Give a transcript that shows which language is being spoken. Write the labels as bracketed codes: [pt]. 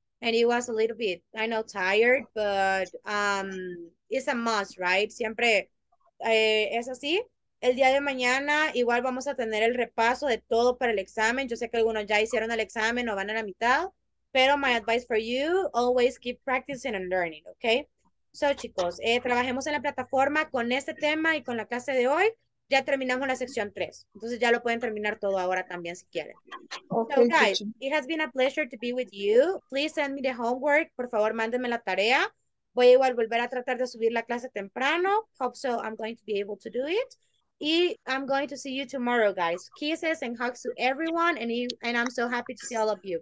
[en] And it was a little bit, I know, tired, but it's a must, right? [es] Siempre es así. El día de mañana igual vamos a tener el repaso de todo para el examen. Yo sé que algunos ya hicieron el examen o van a la mitad. [en] Pero my advice for you, always keep practicing and learning, okay? [es] So, chicos, trabajemos en la plataforma con este tema y con la clase de hoy. Ya terminamos la sección 3. Entonces ya lo pueden terminar todo ahora también si quieren. [en] Okay, so, guys, teacher. It has been a pleasure to be with you. Please send me the homework. [es] Por favor, mándenme la tarea. Voy a igual volver a tratar de subir la clase temprano. [en] Hope so I'm going to be able to do it. Y I'm going to see you tomorrow, guys. Kisses and hugs to everyone. And I'm so happy to see all of you.